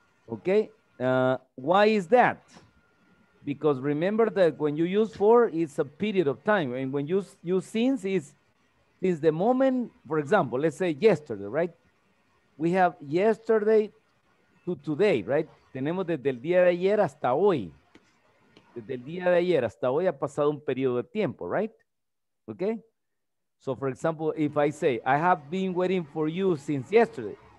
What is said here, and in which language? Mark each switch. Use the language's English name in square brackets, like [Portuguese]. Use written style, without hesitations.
[English] Okay, why is that? Because remember that when you use for, it's a period of time. And when you use since, it's the moment, for example, let's say yesterday, right? We have yesterday to today, right? [Spanish] Tenemos desde el día de ayer hasta hoy. Desde el día de ayer hasta hoy ha pasado un periodo de tiempo, right? [English] Okay? So, for example, if I say, I have been waiting for you since yesterday.